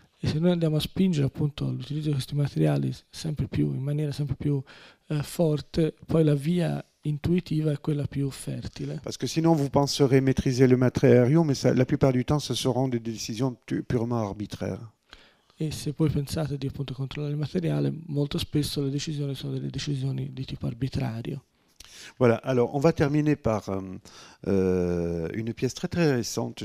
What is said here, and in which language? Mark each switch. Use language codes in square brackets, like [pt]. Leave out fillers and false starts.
[it] E se noi andiamo a spingere appunto l'utilizzo di questi materiali sempre più, in maniera sempre più forte, poi la via intuitiva è quella più fertile. [fr] Parce que sinon vous penserez maîtriser le matériau, mais ça, la plupart du temps, ce seront des décisions purement arbitraires. [it] E se voi pensate di appunto controllare il materiale, molto spesso le decisioni sono delle decisioni di tipo arbitrario. [fr] Voilà, alors on va terminer par une pièce très très récente.